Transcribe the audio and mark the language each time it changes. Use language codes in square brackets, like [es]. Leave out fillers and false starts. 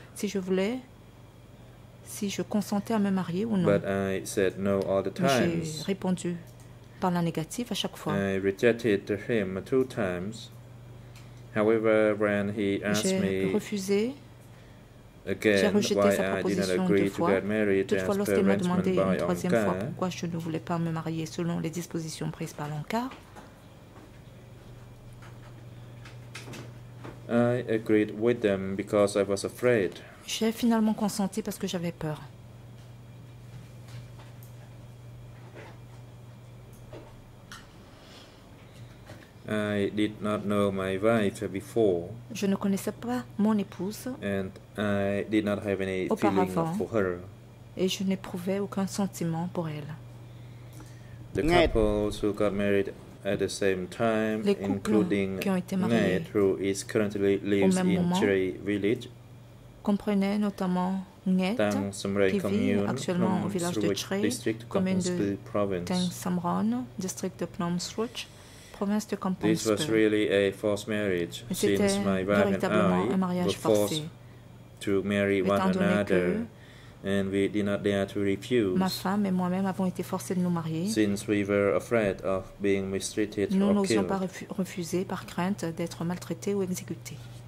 [fr] Si je voulais, si je consentais à me marier ou non. [en] But I said no all the times. [fr] J'ai répondu par la négative à chaque fois. [en] I rejected him two times. However, when he asked me Again, [fr] j'ai rejeté sa proposition deux fois. Toutefois, lorsqu'elle m'a demandé une troisième fois pourquoi je ne voulais pas me marier selon les dispositions prises par l'Ankar, [en] I agreed with them because I was afraid. [fr] J'ai finalement consenti parce que j'avais peur. [en] I did not know my wife before. [fr] Je ne connaissais pas mon épouse. [en] And I did not have any feeling for her. [fr] Et je n'éprouvais aucun sentiment pour elle. [en] The couples who got married at the same time, including Ned, who is currently lives in Chiri village, [fr] comprenaient notamment Ned, qui vit actuellement au village de Chiri, commune de Tang Samran, district de Phnom Srut. [en] This was really a forced marriage, since my wife and I were forced to marry one another, and we did not dare to refuse. [fr] Ma femme et moi-même avons été forcés de nous marier. [en] Since we were afraid of being mistreated [fr] nous [en] or killed, [fr] nous n'osions pas refuser par crainte d'être maltraités ou exécutés.